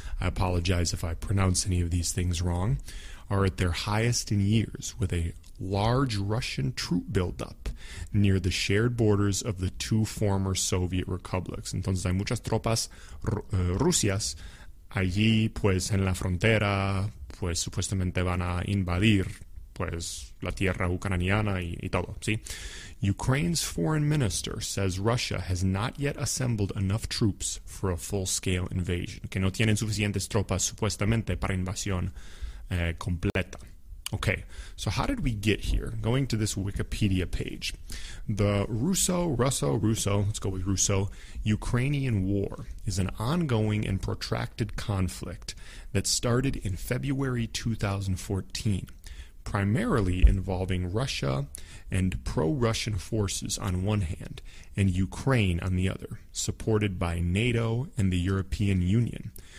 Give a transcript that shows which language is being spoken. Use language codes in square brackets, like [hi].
[en] I apologize if I pronounce any of these things wrong. Are at their highest in years, with a large Russian troop buildup near the shared borders of the two former Soviet republics. [es] Entonces hay muchas tropas rusias allí, pues en la frontera, pues supuestamente van a invadir pues la tierra ucraniana y todo, ¿sí? [en] Ukraine's foreign minister says Russia has not yet assembled enough troops for a full-scale invasion. [es] Que no tienen suficientes tropas supuestamente para invasión completa. [en] Okay, so how did we get here? Going to this Wikipedia page. The Russo, let's go with Russo-Ukrainian War is an ongoing and protracted conflict that started in February 2014, primarily involving Russia and pro-Russian forces on one hand, and Ukraine on the other, supported by NATO and the European Union.